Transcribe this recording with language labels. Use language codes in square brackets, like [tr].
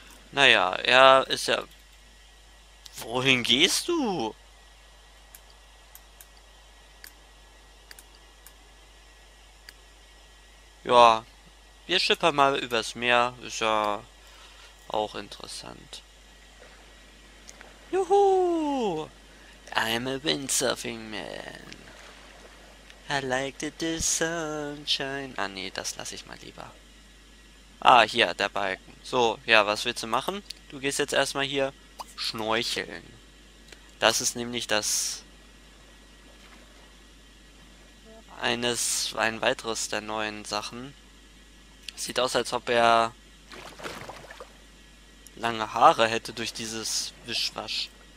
[de] Naja, er ist ja. Wohin gehst du? Ja, wir schippern mal übers Meer. Ist ja auch interessant. Juhu! [en] I'm a windsurfing man. I like the sunshine. [de] Ah nee, das lasse ich mal lieber. Ah, hier, der Balken. So, ja, was willst du machen? Du gehst jetzt erstmal hier schnorcheln. Das ist nämlich das. Ein weiteres der neuen Sachen. Sieht aus, als ob er lange Haare hätte durch dieses Wischwasch.